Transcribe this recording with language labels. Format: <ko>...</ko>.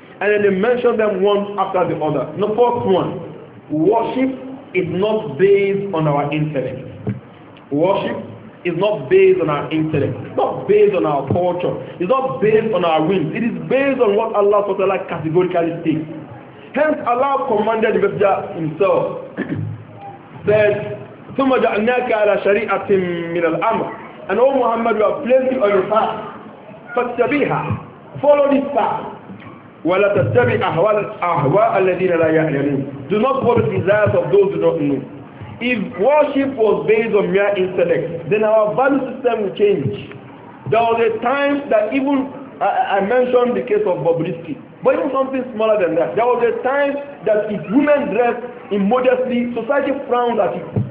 <en>And then they mention them one after the other. The first one, worship is not based on our intellect. Worship is not based on our intellect. It's not based on our culture. It's not based on our whims. It is based on what Allah SWT categorically states. Hence, Allah commanded the Messenger himself, said,</en> <ar>ثُمَّ جَعْنَاكَ عَلَى شَرِيعَةٍ مِّنَ الْأَمْرِ</ar> <en>And O Muhammad, we have placed you on your path.</en> <ar>فَاتَّبِيهَا</ar> <en>Follow this path.</en> <ar>وَلَا تَتَّبِي أَهْوَاءَ الَّذِينَ لَا يَعْلَمُونَ</ar> <en>Do not follow the desires of those who don't know. If worship was based on mere intellect, then our value system would change. There was a time that even, I mentioned the case of Bobrisky, but even something smaller than that, there was a time that if women dressed immodestly, society frowned at it.</en>